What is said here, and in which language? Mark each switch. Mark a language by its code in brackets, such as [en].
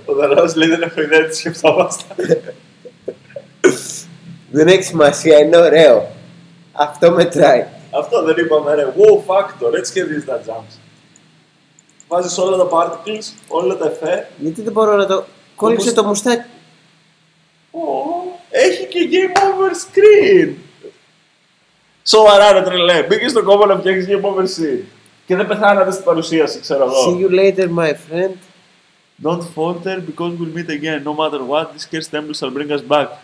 [el] Ο Δανάος λέει δεν έχω ιδέα τι σκεφτόμαστε. Δεν έχει σημασία, είναι ωραίο. Αυτό μετράει. Αυτό δεν είπαμε, ρε. [en] Wow factor, [el] έτσι κερδίζεις τα jumps. Βάζεις όλα τα particles, όλα τα εφέ. Γιατί δεν μπορώ να το... Κόλλησε το μουστάκι. Έχει και game over screen. Σοβαρά ρε τρελέ, μπήκες στο κόμμα να φτιάξεις game over scene. Και δεν πεθάνατε στην παρουσίαση, ξέρω εγώ. [en] See you later, my friend. Don't falter, because we'll meet again. No matter what, this cursed temple shall bring us back.